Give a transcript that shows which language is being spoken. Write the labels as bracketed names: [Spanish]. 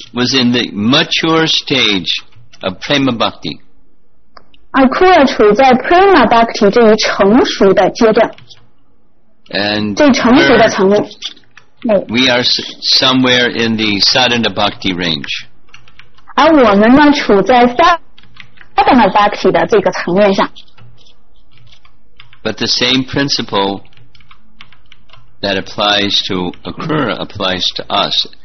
[English] was in the mature stage of prema bhakti. [Chinese] Akura 处在 prema bhakti 这一成熟的阶段，这成熟的层面。 [English] We are somewhere in the sadhana bhakti range. [Chinese] 而我们呢，处在萨达那巴提的这个层面上。 [English] But the same principle that applies to Akura applies to us.